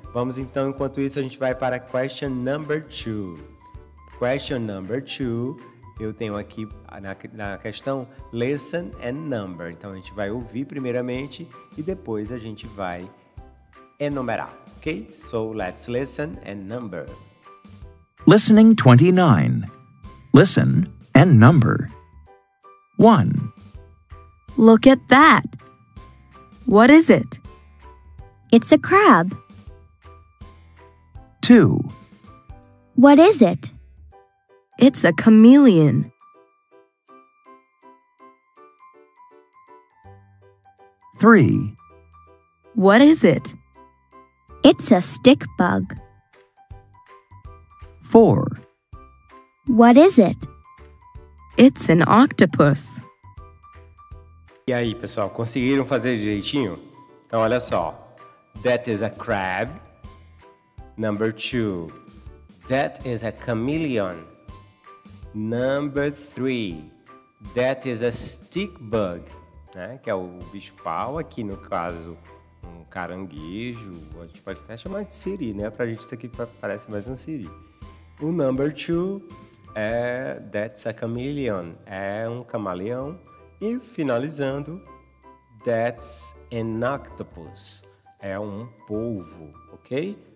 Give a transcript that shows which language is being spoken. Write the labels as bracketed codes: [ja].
[pt] Vamos então, enquanto isso, a gente vai para [en] question number 2. [pt] Question number 2, eu tenho aqui na questão [en] listen and number. [pt] Então, a gente vai ouvir primeiramente e depois a gente vai enumerar, ok? [en] So, let's listen and number. Listening 29. Listen and number. 1. Look at that. What is it? It's a crab. 2. What is it? It's a chameleon. Three. What is it? It's a stick bug. 4. What is it? It's an octopus. [pt] E aí, pessoal, conseguiram fazer direitinho? Então, olha só. [en] That is a crab. Number 2, that is a chameleon. Number 3, that is a stick bug, né? [pt] Que é o bicho-pau, aqui no caso, um caranguejo. A gente pode até chamar de siri, né? Pra gente isso aqui parece mais um siri. O number 2 é [en] that's a chameleon, [pt] é um camaleão. E finalizando, [en] that's an octopus, [pt] é um polvo, ok?